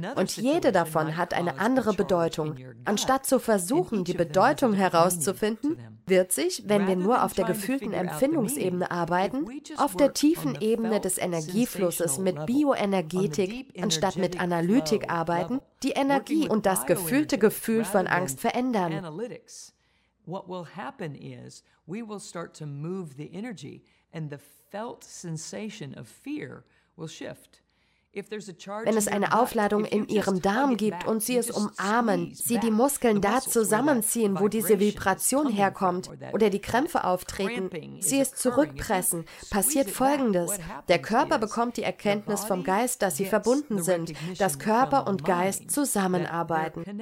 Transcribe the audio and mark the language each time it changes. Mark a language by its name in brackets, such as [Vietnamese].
[German] Und jede davon hat eine andere Bedeutung. Anstatt zu versuchen, die Bedeutung herauszufinden, wird sich, wenn wir nur auf der gefühlten Empfindungsebene arbeiten, auf der tiefen Ebene des Energieflusses mit Bioenergetik, anstatt mit Analytik arbeiten, die Energie und das gefühlte Gefühl von Angst verändern. [English] What will happen is, we will start to move the energy and the felt sensation of fear will shift. [German] Wenn es eine Aufladung in Ihrem Darm gibt und Sie es umarmen, Sie die Muskeln da zusammenziehen, wo diese Vibration herkommt oder die Krämpfe auftreten, Sie es zurückpressen, passiert Folgendes. Der Körper bekommt die Erkenntnis vom Geist, dass Sie verbunden sind, dass Körper und Geist zusammenarbeiten.